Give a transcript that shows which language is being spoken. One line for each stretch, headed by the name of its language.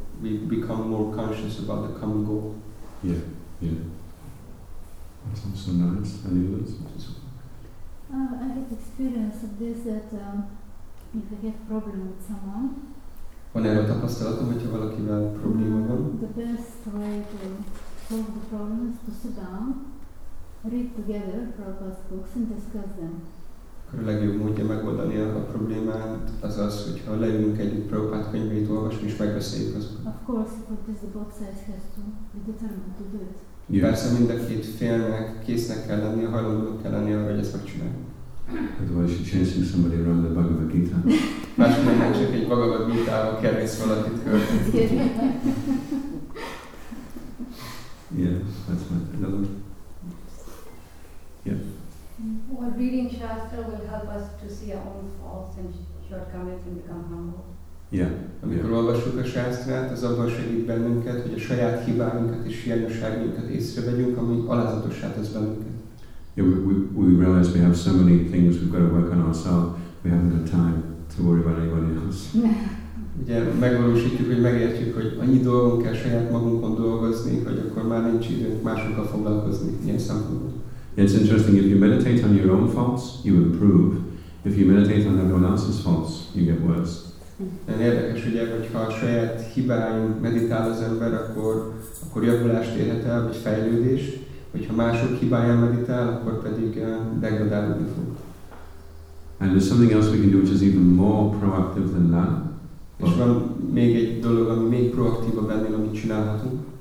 English: We become more conscious about the common goal. Yeah, yeah. That sounds so nice. Any others? I had experience of this that if I have problem with someone.
Hungarian: Van erre tapasztalatom, hogyha valakivel probléma van?
English: The best way to solve the problem is to sit down, read together Prabhupada's books and discuss them.
Hungarian: Akkor a legjobb módja megoldani a problémát az az, hogyha leülünk együtt Prabhupada könyveit olvasni és megbeszéljük azokat.
English: Of course, what is the book says has to be determined to do it. Yeah.
Hungarian: Persze mind a két félnek késznek kell lenni, hajlandónak kell lenni arra, hogy ezt megcsináljuk.
English: Otherwise you're chasing somebody around the Bhagavad Gita.
Hungarian: Máskor nem csak egy Bhagavad Gita-val kerülsz valakit körülni.
English: Yeah, that's my another one. Yeah. Well, reading Shastra will help us to see our own faults and shortcomings and become humble. Yeah.
Hungarian: Amikor olvassuk a Shastrát, az abban segít bennünket, hogy a saját hibáinkat és hiányosságunkat észrevegyünk, ami alázatossá tesz bennünket.
English: Yeah, we realize we have so many things we've got to work on ourselves. We haven't got time to worry about anybody else.
Hungarian: Ugye megvalósítjuk, hogy megértjük, hogy annyi dolgunk kell saját magunkon dolgozni, hogy akkor már nincs időnk másokkal foglalkozni ilyen szempontból.
English: Yeah, it's interesting, if you meditate on your own faults, you improve. If you meditate on everyone else's faults, you get worse.
Hungarian: Nagyon érdekes, ugye, hogyha a saját hibáin meditál az ember, akkor javulást érhet el, vagy fejlődés. Hogyha mások hibáján meditál, akkor pedig degradálódni fog.
English: And there's something else we can do, which is even more proactive than that.
Hungarian: És van még egy dolog, ami még proaktívabb ennél, amit csinálhatunk.